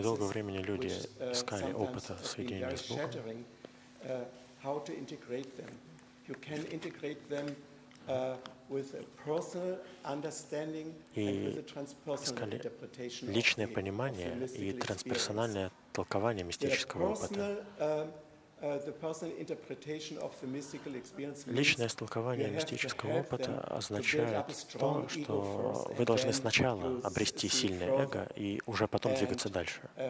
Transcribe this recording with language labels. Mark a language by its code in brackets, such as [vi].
[ru] долгого времени люди искали опыта соединения с Богом. [en] How to integrate them? You can integrate them with a personal understanding and with a transpersonal interpretation. [ru] Личное понимание и трансперсональное толкование мистического опыта. [en] The personal interpretation of the mystical experience. [ru] Личное толкование мистического опыта означает то, что вы должны сначала обрести сильное эго и уже потом двигаться дальше.